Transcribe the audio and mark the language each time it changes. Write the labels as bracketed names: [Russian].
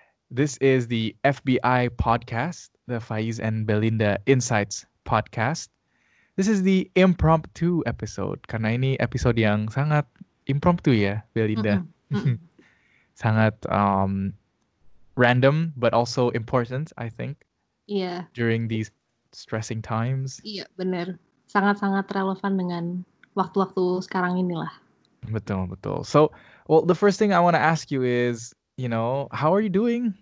[English] This is the FBI podcast, the Faiz and Belinda Insights podcast. This is the impromptu episode, [Indonesian] karena ini episode yang sangat impromptu ya, Belinda. Sangat random, [English] but also important, I think. Yeah. During these stressing times. [Indonesian] Iya, benar. Sangat-sangat relevan dengan waktu-waktu sekarang inilah. Betul. [English] So, well, the first thing I want to ask you is, you know, how are you doing?